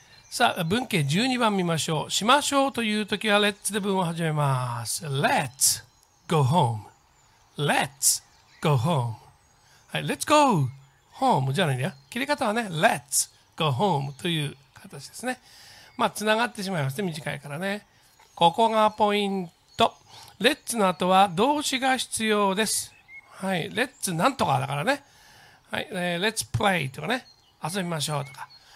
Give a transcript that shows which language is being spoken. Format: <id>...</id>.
<ja>さあ、文型12番見ましょう。しましょうというときは、let's で文を始めます。</ja> <en>let's go home.let's go home.、</en> <ja>はい、</ja> <en>let's go home</en> <ja>じゃないんだよ。切り方はね、</ja> <en>let's go home</en> <ja>という形ですね。まあ、つながってしまいますね。短いからね。ここがポイント。 let's の後は動詞が必要です。はい、let's なんとかだからね。はい、</ja> <en>let's play</en> <ja>とかね。遊びましょうとか。</ja>